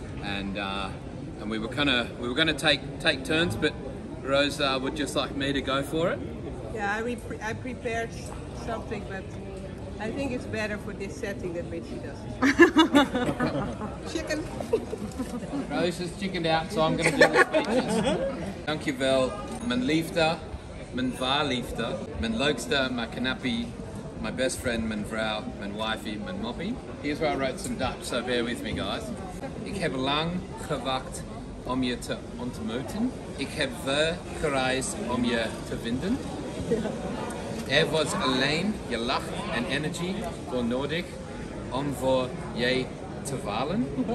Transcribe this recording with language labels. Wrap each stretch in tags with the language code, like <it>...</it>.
<en>And we were going to take turns, but Rose would just like me to go for it. Yeah, I prepared something, but I think it's better for this setting that Richie does. Chicken. Rose has chickened out, so I'm going to do the speeches.</en> <nl>Dank je wel, mijn liefde, mijn waarliefde, mijn leukste, mijn knappe,</nl> <en>my best friend,</en> <nl>mijn vrouw, mijn wifey, mijn moppie.</nl> <en>Here's where I wrote some Dutch, so bear with me, guys.</en> <nl>Ik heb lang gewacht om je te ontmoeten. Ik heb ver gereisd om je te vinden. Er was alleen je lach en energie voor nodig om voor je te walen.</nl>